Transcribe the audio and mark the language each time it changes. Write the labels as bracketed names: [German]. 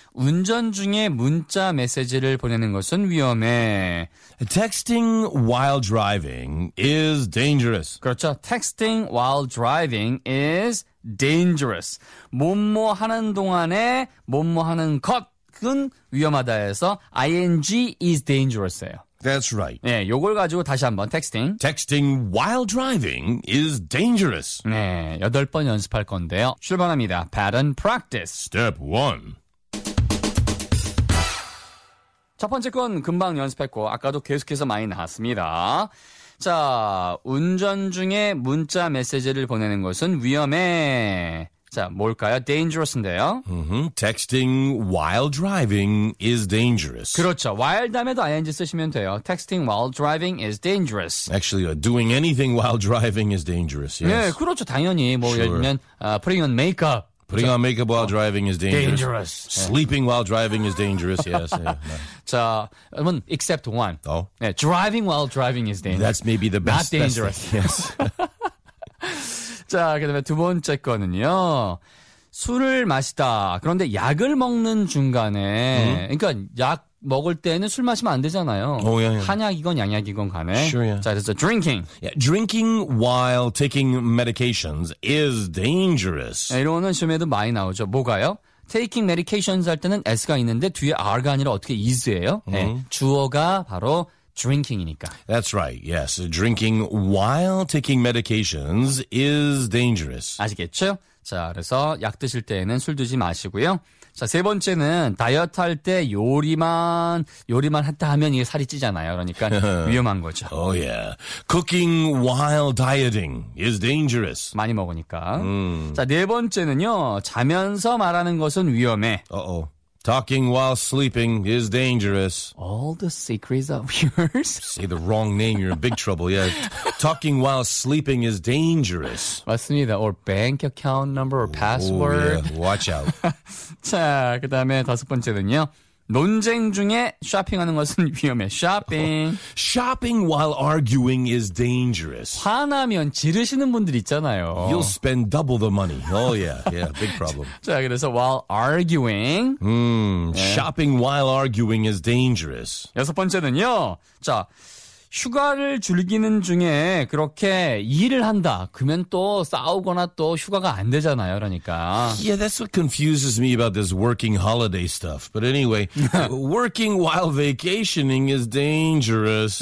[Korean] 운전 중에 문자 메시지를 보내는 것은 위험해. [English] Texting while driving is dangerous. [Korean] 그렇죠. [English] Texting while driving is dangerous. [Korean] 뭐뭐 하는 동안에 뭐뭐 하는 것은 위험하다 해서 [English] ing is dangerous [Korean] 예요. [English] That's right. [Korean] 네, 요걸 가지고 다시 한번 texting. [English] Texting while driving is dangerous. [Korean] 네, 8번 연습할 건데요. 출발합니다. [English] Pattern practice. Step 1. [Korean] 첫 번째 건 금방 연습했고 아까도 계속해서 많이 나왔습니다. 자, 운전 중에 문자 메시지를 보내는 것은 위험해. 자, 뭘까요? Dangerous인데요. Mm-hmm. [English] Texting while driving is dangerous. [Korean] 그렇죠. While 다음에도 ing 쓰시면 돼요. [English] Texting while driving is dangerous. Actually, doing anything while driving is dangerous. Yes. [Korean] 네, 그렇죠. 당연히. 뭐 sure. 예를 들면 [English] putting on makeup. Putting on makeup while driving is dangerous. Dangerous. Sleeping while driving is dangerous. Yes. Yeah, yeah. 자, I mean, except one. Oh. 네, driving while driving is dangerous. That's maybe the best. Not dangerous. Best yes. [Korean] 자, 그다음에 두 번째 거는요. 술을 마시다. 그런데 약을 먹는 중간에, mm-hmm. 그러니까 약 먹을 때는 술 마시면 안 되잖아요. [English] Oh, yeah, yeah. [Korean] 한약이건 양약이건 간에. [English] Sure, yeah. [Korean] 자, 그래서 drinking. [English] Yeah, drinking while taking medications is dangerous. [Korean] 네, 이런 시험에도 많이 나오죠. 뭐가요? [English] Taking medications [Korean] 할 때는 S가 있는데 뒤에 R가 아니라 어떻게 is예요? 네, mm-hmm. 주어가 바로 drinking이니까. [English] That's right. Yes. Drinking while taking medications is dangerous. [Korean] 아시겠죠? 자, 그래서 약 드실 때에는 술 드지 마시고요. 자, 세 번째는 다이어트 할 때 요리만 했다 하면 이게 살이 찌잖아요. 그러니까 위험한 거죠. [English] Oh yeah. Cooking while dieting is dangerous. [Korean] 많이 먹으니까. 자, 네 번째는요. 자면서 말하는 것은 위험해. Uh-oh. [English] Talking while sleeping is dangerous. All the secrets of yours. Say the wrong name, you're in big trouble. Yeah. Talking while sleeping is dangerous. [Korean] 맞습니다. [English] Or bank account number or password. Oh, yeah. Watch out. [Korean] 자, 그다음에 다섯 번째는요. 논쟁 중에 쇼핑하는 것은 위험해. [English] Shopping. Oh. Shopping while arguing is dangerous. [Korean] 화나면 지르시는 분들 있잖아요. [English] You'll spend double the money. Oh yeah, yeah, big problem. [Korean] 자, 그래서 [English] while arguing. Shopping while arguing is dangerous. [Korean] 여섯 번째는요. 자, 휴가를 즐기는 중에 그렇게 일을 한다. 그러면 또 싸우거나 또 휴가가 안 되잖아요. 그러니까. [English] Yeah, that's what confuses me about this working holiday stuff. But anyway, working while vacationing is dangerous.